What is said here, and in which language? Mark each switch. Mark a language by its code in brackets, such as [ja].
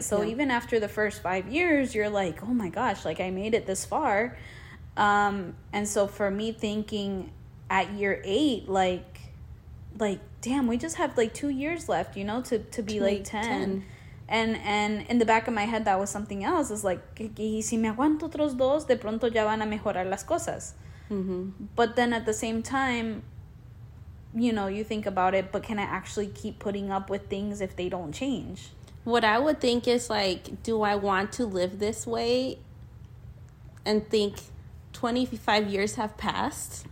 [en] So even after the first 5 years, you're like, oh my gosh, like, I made it this far. And so for me, thinking at year eight, like, damn, we just have like 2 years left, you know, to be like 10. And in the back of my head, that was something else. It's like, [es] y si me aguanto otros dos, de pronto ya van a mejorar las cosas. Mm-hmm. [en] But then at the same time, you know, you think about it, but can I actually keep putting up with things if they don't change? What I would think is, like, do I want to live this way and think 25 years have passed?